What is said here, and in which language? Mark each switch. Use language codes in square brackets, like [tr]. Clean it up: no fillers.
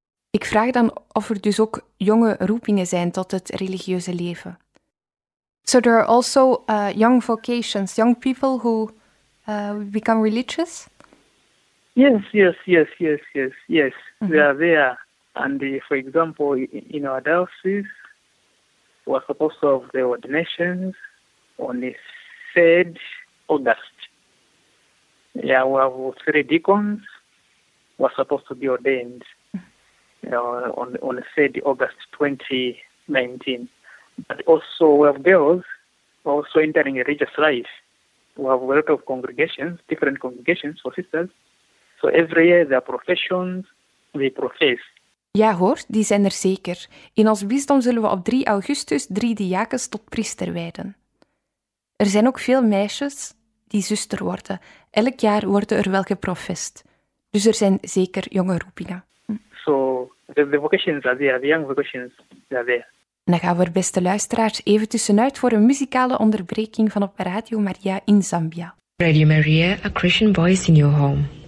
[nl] Ik vraag dan of er dus ook jonge roepingen zijn tot het religieuze leven. [en] So there are also young vocations, young people who become religious? Yes. Mm-hmm. They are there. And for example, in our diocese, we're supposed to have the ordinations on the 3rd August. Yeah, we have 3 deacons who are supposed to be ordained on the 3rd August 2019. But also we have girls who are also entering religious life. We have a lot of congregations, different congregations for sisters. So every year there are professions, we profess. [nl] Ja hoor, die zijn er zeker. In ons bisdom zullen we op 3 augustus 3 diakens tot priester wijden. Er zijn ook veel meisjes die zuster worden. Elk jaar worden er wel geprofest. Dus er zijn zeker jonge roepingen. [en] So the vocations are there, the young vocations are there. [nl] Dan gaan we er, beste luisteraars, even tussenuit voor een muzikale onderbreking van op Radio Maria in Zambia. [en] Radio Maria, a Christian voice in your home.